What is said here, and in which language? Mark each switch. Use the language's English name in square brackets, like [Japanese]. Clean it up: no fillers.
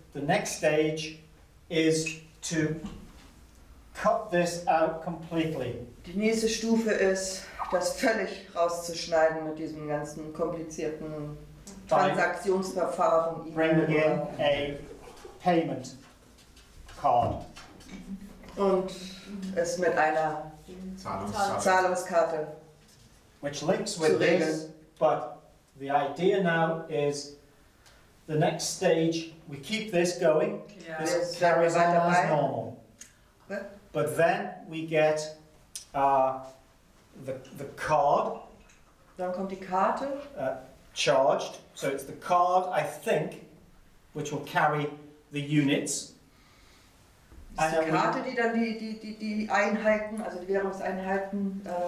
[English] The next stage is to cut this out completely. [German] Die nächste Stufe ist, das völlig rauszuschneiden mit diesem ganzen komplizierten Transaktionsverfahren. [English] Bringing in a payment card. [German] Und es mit einer Zahlungskarte. [English] Which links with this, but the idea now is the next stage, we keep this going, yeah, this carries on as normal. But then we get the card. [German] Dann kommt die Karte. [English] Charged. So it's the card, I think, which will carry the units. [German] Ist die Karte, die dann die Einheiten, also die Währungseinheiten,